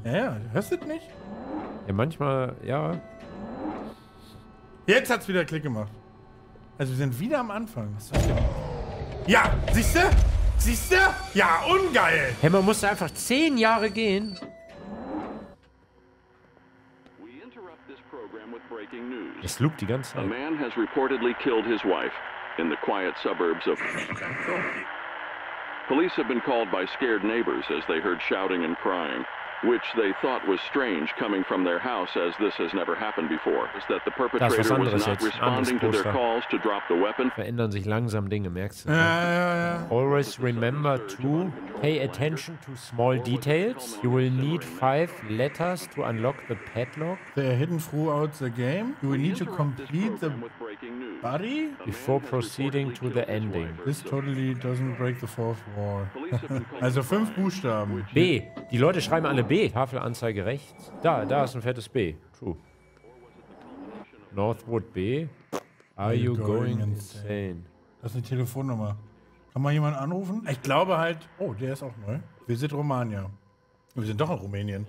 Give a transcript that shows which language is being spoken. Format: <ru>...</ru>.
<de>Naja, hörst du das nicht? Ja, manchmal, ja. Jetzt hat's wieder Klick gemacht. Also wir sind wieder am Anfang. Ja, siehst du? Siehst du? Ja, ungeil. Hey, man musste einfach 10 Jahre gehen.</de> <en>We interrupt this program with breaking news.</en> <de>Es loopt die ganze Zeit.</de> <en>A man has reportedly killed his wife in the quiet suburbs of. Police have been called by scared neighbors as they heard shouting and crying. Which they thought was strange coming from their house as this has never happened before is that the perpetrator was not responding to their calls to drop the weapon.</en> <de>Verändern sich langsam Dinge, merkst du? Ja, ja, ja.</de> <en>Always remember to pay attention to small details. You will need 5 letters to unlock the padlock. They're hidden throughout the game. You will need to complete the body before proceeding to the ending. This totally doesn't break the fourth wall.</en> <de>Also 5 Buchstaben. B. Die Leute schreiben alle B. Tafelanzeige rechts. Da, da ist ein fettes B. True. Northwood B.</de> <en>Are you going insane?</en> <de>Das ist eine Telefonnummer. Kann man jemanden anrufen? Ich glaube halt. Oh, der ist auch neu. Wir sind Romania. Wir sind doch in Rumänien.</de>